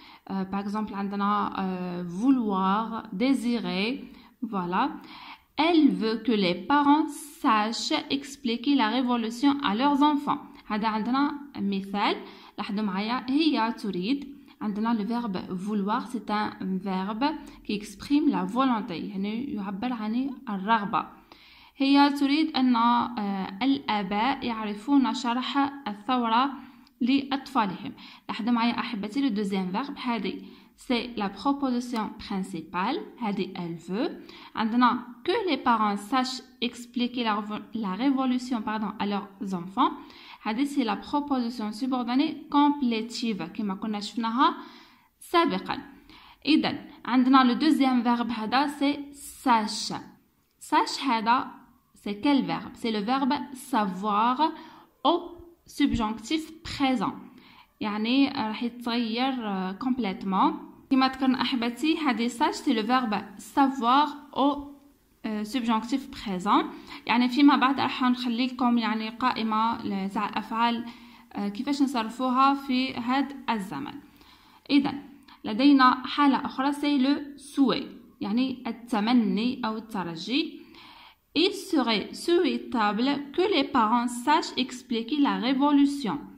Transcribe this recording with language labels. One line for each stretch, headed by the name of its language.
Arabic: باغ اكزومبل عندنا فولوار ديزيري فوالا.
French: Elle veut que les parents sachent expliquer la révolution à leurs enfants.
Arabic: هذا عندنا مثال، لاحظوا معايا هي تريد، عندنا
French: le verbe vouloir c'est un verbe qui exprime la volonté،
Arabic: يعني يعبر عن الرغبة. هي تريد أن الآباء يعرفون شرح الثورة لأطفالهم. لاحظوا معايا أحبتي
French: le deuxième verbe هذه C'est la proposition principale, هذه elle veut. عندنا que les parents sachent expliquer la révolution pardon, à leurs enfants. هذه c'est la proposition subordonnée complétive,
Arabic: كما كنا شفناها سابقا. إذن عندنا
French: le deuxième verbe هذا c'est sache. Sache هذا c'est quel verbe? C'est le verbe savoir au subjonctif présent.
Arabic: يعني راح يتغير
French: complètement.
Arabic: كما ذكرنا أحبتي هذه ساش تي لو فيرب سافوار او سوبجونكتيف بريزون، يعني فيما بعد راح نخلي لكم يعني قائمة تاع الأفعال كيفاش نصرفوها في هذا الزمن. إذا لدينا حالة أخرى سي لو سوي، يعني التمني أو الترجي.
French: Il serait souhaitable que les parents sachent expliquer la révolution.